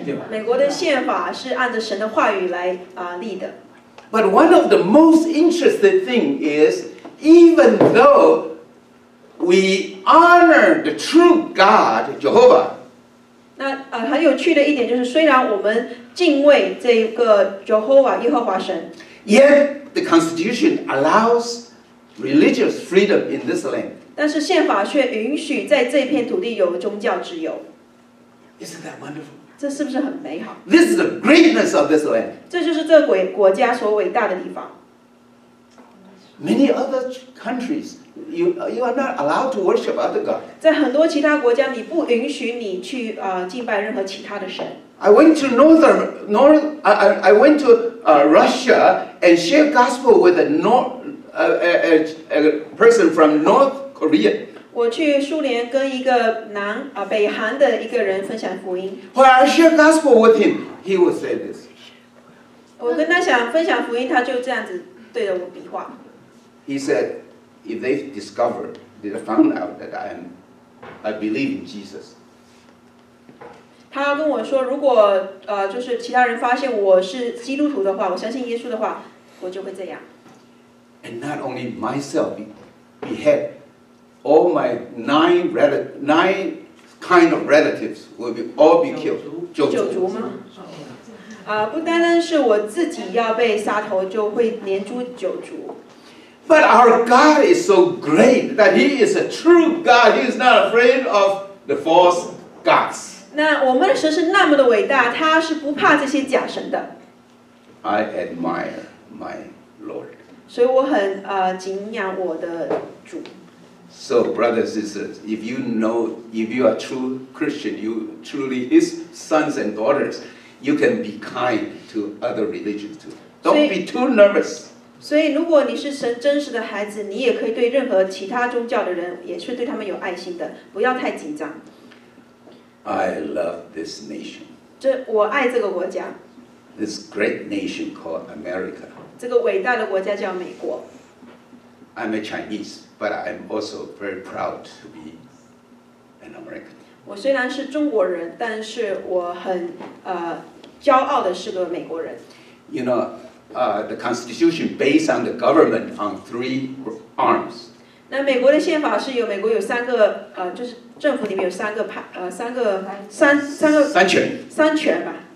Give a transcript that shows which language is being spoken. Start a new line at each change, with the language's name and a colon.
Chinese: 美国的宪法是按着神的话语来立的。
English: But one of the most interesting thing is, even though we honor the true God, Jehovah.
Chinese: 那很有趣的一点就是，虽然我们敬畏这个 Jehovah 耶和华神
English: ，Yet the Constitution allows religious freedom in this land.
Chinese: 但是宪法却允许在这片土地有宗教自由。
English: Isn't that wonderful?
Chinese: 这是不是很美好
English: ？This is the greatness of this land.
Chinese: 这就是这国家所伟大的地方。
English: Many other countries. You are not allowed to worship other God.
Chinese: 在很多其他国家，你不允许你去敬拜任何其他的神。
English: I went to Russia and shared gospel with a person from North Korea.
Chinese: 我去苏联跟一个北韩的一个人分享福音。
English: When I shared gospel with him, he would say this.
Chinese: 我跟他想分享福音，他就这样子对着我比划。
English: He said. If they discovered, they found out that I believe in Jesus.
Chinese: 他跟我说，如果就是其他人发现我是基督徒的话，我相信耶稣的话，我就会这样。
English: And not only myself, behead all my nine kind of relatives will be all be killed.
Chinese: 九族吗？不单单是我自己要被杀头，就会连诛九族。
English: But our God is so great that He is a true God. He is not afraid of the false gods.
Chinese: 那我们的神是那么的伟大，他是不怕这些假神的。
English: I admire my Lord.
Chinese: 所以我很敬仰我的主。
English: So brothers and sisters, if you know, if you are true Christian, you truly His sons and daughters, you can be kind to other religions too. Don't be too nervous.
Chinese: 所以，如果你是神真实的孩子，你也可以对任何其他宗教的人，也是对他们有爱心的，不要太紧张。
English: I love this nation.
Chinese: 这我爱这个国家。
English: This great nation called America.
Chinese: 这个伟大的国家叫美国。
English: I'm a Chinese, but I'm also very proud to be an American.
Chinese: 我虽然是中国人，但是我很骄傲的是个美国人。
English: You know. The Constitution based on the government on three arms.
Chinese: 那美国的宪法是由美国有三个就是政府里面有三个三权吧。